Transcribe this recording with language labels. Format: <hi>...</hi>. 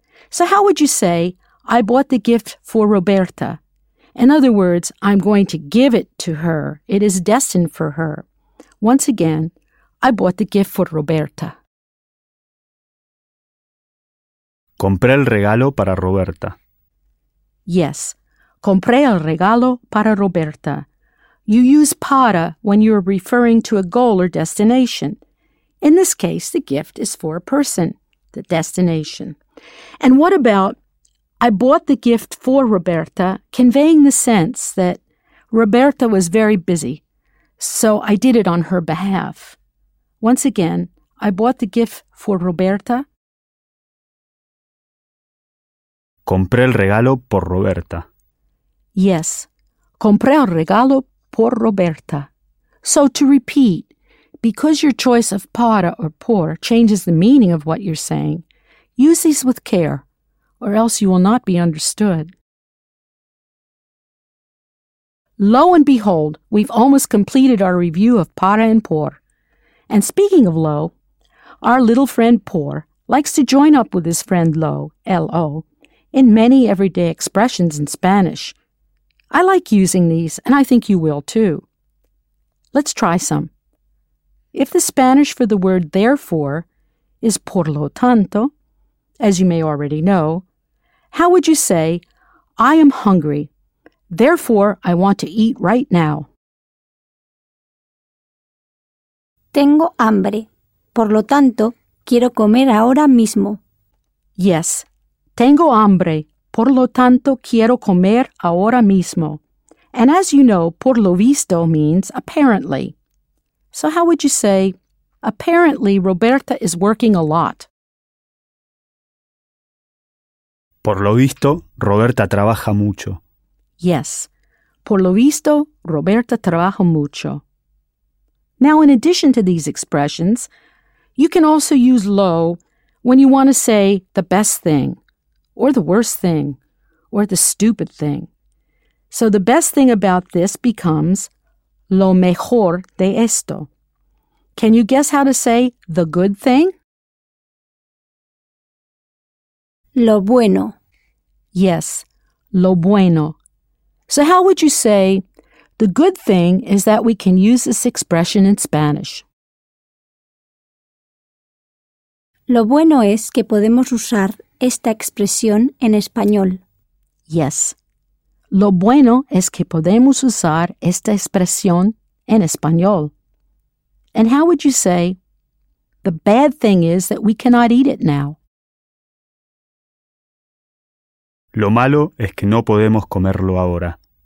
<en>So how would you say, I bought the gift for Roberta? In other words, I'm going to give it to her. It is destined for her. Once again, I bought the gift for Roberta.</en> <es>Compré el regalo para Roberta.</es> <en>Yes,</en> <es>compré el regalo para Roberta.</es> <en>You use para when you're referring to a goal or destination. In this case, the gift is for a person, the destination. And what about, I bought the gift for Roberta, conveying the sense that Roberta was very busy, so I did it on her behalf. Once again, I bought the gift for Roberta.</en> <es>Compré el regalo por Roberta.</es> <en>Yes,</en> <es>compré el regalo por Roberta.</es> <en>So to repeat, because your choice of para or por changes the meaning of what you're saying, use these with care, or else you will not be understood. Lo and behold, we've almost completed our review of para and por. And speaking of lo, our little friend por likes to join up with his friend lo, L-O, in many everyday expressions in Spanish. I like using these, and I think you will too. Let's try some. If the Spanish for the word therefore is</en> <es>por lo tanto,</es> <en>as you may already know, how would you say, I am hungry, therefore I want to eat right now?</en> <es>Tengo hambre, por lo tanto, quiero comer ahora mismo.</es> <en>Yes,</en> <es>tengo hambre, por lo tanto, quiero comer ahora mismo.</es> <en>And as you know,</en> <es>por lo visto</es> <en>means apparently. So how would you say, apparently Roberta is working a lot?</en> <es>Por lo visto, Roberta trabaja mucho.</es> <en>Yes.</en> <es>Por lo visto, Roberta trabaja mucho.</es> <en>Now, in addition to these expressions, you can also use lo when you want to say the best thing, or the worst thing, or the stupid thing. So the best thing about this becomes</en> <es>lo mejor de esto.</es> <en>Can you guess how to say the good thing?</en> <es>Lo bueno.</es> <en>Yes,</en> <es>lo bueno.</es> <en>So how would you say, the good thing is that we can use this expression in Spanish?</en> <es>Lo bueno es que podemos usar esta expresión en español.</es> <en>Yes,</en> <es>lo bueno es que podemos usar esta expresión en español.</es> <en>And how would you say, the bad thing is that we cannot eat it now?</en> <es>Lo malo es que no podemos comerlo ahora.</es>